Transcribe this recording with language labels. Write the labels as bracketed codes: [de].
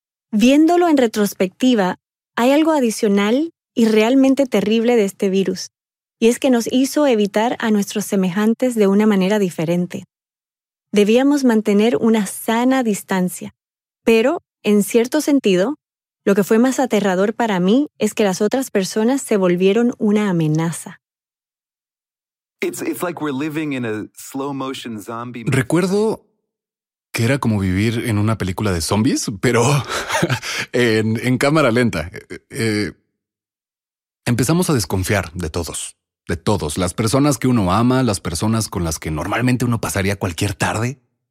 [es] Viéndolo en retrospectiva, hay algo adicional y realmente terrible de este virus, y es que nos hizo evitar a nuestros semejantes de una manera diferente. Debíamos mantener una sana distancia, pero, en cierto sentido, lo que fue más aterrador para mí es que las otras personas se volvieron una amenaza. [en] It's like we're living in a slow motion zombie. [es] Recuerdo que era como vivir en una película de zombies, pero en cámara lenta. Empezamos a desconfiar de todos. Las personas que uno ama, las personas con las que normalmente uno pasaría cualquier tarde.